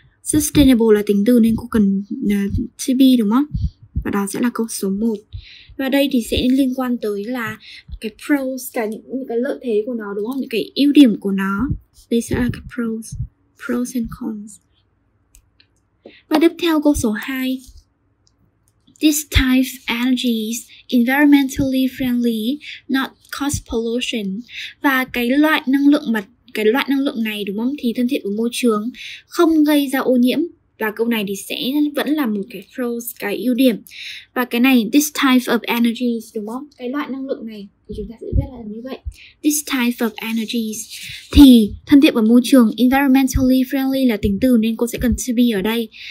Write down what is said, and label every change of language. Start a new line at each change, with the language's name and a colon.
Vietnamese: Sustainable là tính từ nên cô cần to be đúng không? Và đó sẽ là câu số 1. Và đây thì sẽ liên quan tới là cái pros, cả những cái lợi thế của nó đúng không? Những cái ưu điểm của nó. Đây sẽ là cái pros, pros and cons. Và tiếp theo câu số 2.
English: This type of energy is environmentally friendly, not cause pollution.
Vietnamese: Và cái loại năng lượng mà cái loại năng lượng này đúng không thì thân thiện với môi trường, không gây ra ô nhiễm. Và câu này thì sẽ vẫn là một cái pros, cái ưu điểm. Và cái này,
English: this type of energy
Vietnamese: đúng không? Cái loại năng lượng này thì chúng ta sẽ viết là như vậy.
English: This type of energy
Vietnamese: thì thân thiện với môi trường,
English: environmentally friendly
Vietnamese: là tính từ nên cô sẽ cần to be ở đây.